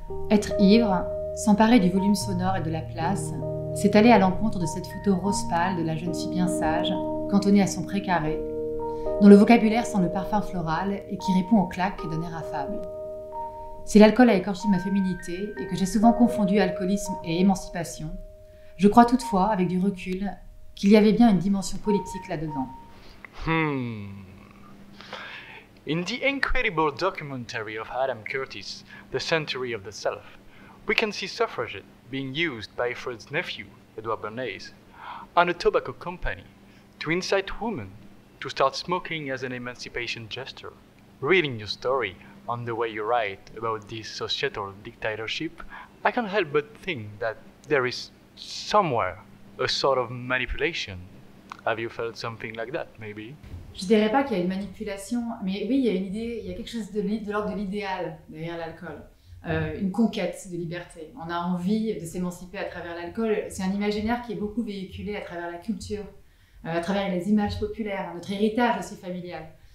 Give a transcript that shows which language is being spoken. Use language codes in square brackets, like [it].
[fr] Être ivre, s'emparer du volume sonore et de la place, c'est aller à l'encontre de cette photo rose pâle de la jeune fille bien sage, cantonnée à son pré carré, dont le vocabulaire sent le parfum floral et qui répond aux claques d'un air affable. Si l'alcool a écorché ma féminité et que j'ai souvent confondu alcoolisme et émancipation, je crois toutefois, avec du recul, qu'il y avait bien une dimension politique là-dedans. [en] In the incredible documentary of Adam Curtis, The Century of the Self, we can see suffragette being used by Freud's nephew, Edouard Bernays, and a tobacco company to incite women to start smoking as an emancipation gesture. Reading your story on the way you write about this societal dictatorship, I can't help but think that there is somewhere a sort of manipulation. Have you felt something like that, maybe? [fr] Je dirais pas qu'il y a une manipulation, mais oui, il y a une idée, il y a quelque chose de l'ordre de l'idéal derrière l'alcool. Une conquête de liberté. On a envie de s'émanciper à travers l'alcool. C'est un imaginaire qui est beaucoup véhiculé à travers la culture, à travers les images populaires, notre héritage aussi familial.